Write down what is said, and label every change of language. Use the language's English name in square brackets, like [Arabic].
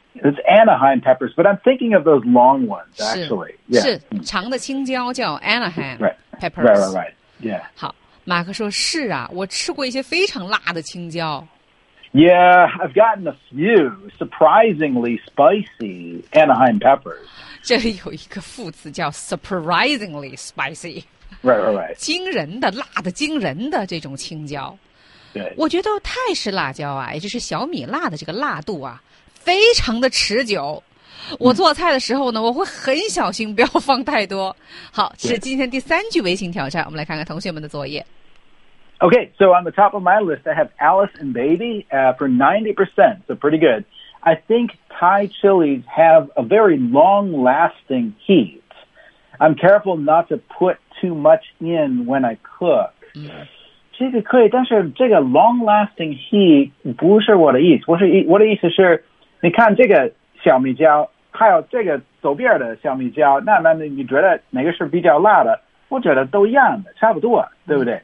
[English] It's Anaheim peppers, but I'm thinking of those long ones actually. [Chinese] 是长的青椒叫 Anaheim peppers. [English] Right, right, right. Yeah. [Chinese] 好，马克说是啊，我吃过一些非常辣的青椒。 [English] Yeah, I've gotten a few surprisingly spicy Anaheim peppers. [Chinese] 这里有一个副词叫 [English] surprisingly spicy. Right, right, right. [Chinese] 惊人的辣的惊人的这种青椒。对。我觉得泰式辣椒啊，也就是小米辣的这个辣度啊，非常的持久。我做菜的时候呢，我会很小心，不要放太多。好，是今天第三句微信挑战，我们来看看同学们的作业。 [English] Okay, so on the top of my list, I have Alice and Baby for 90%, so pretty good. I think Thai chilies have a very long-lasting heat. I'm careful not to put too much in when I cook. [Chinese] 这个可以，但是这个 [English] long-lasting heat [Chinese] 不是我的意思。我的意思是，你看这个小米椒，还有这个左边的小米椒，那你觉得哪个是比较辣的？我觉得都一样的，差不多，对不对？